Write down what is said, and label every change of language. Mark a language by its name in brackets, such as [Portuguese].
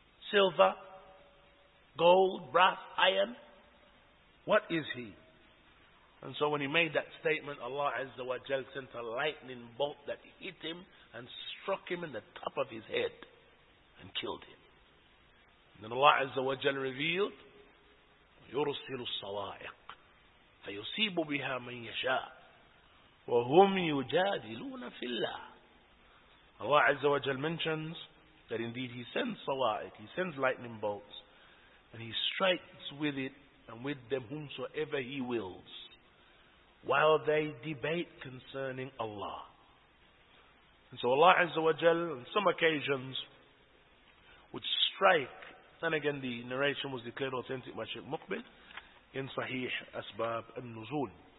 [English] Silver, gold, brass, iron? What is he? And so when he made that statement, Allah Azza wa Jal sent a lightning bolt that hit him and struck him in the top of his head and killed him. [Arabic] And then Allah Azza wa Jal revealed, يُرُسِلُ الصَّوَائِقِ فَيُصِيبُ بِهَا مَنْ يَشَاءُ وَهُمْ يُجَادِلُونَ فِي اللَّهِ. [English] Allah Azza wa Jal mentions that indeed He sends sawa'iq, He sends lightning bolts, and He strikes with it and with them whomsoever He wills, while they debate concerning Allah. And so Allah Azza wa Jal, on some occasions, would strike, and again the narration was declared authentic by Sheikh Muqbil in Sahih Asbab al-Nuzul.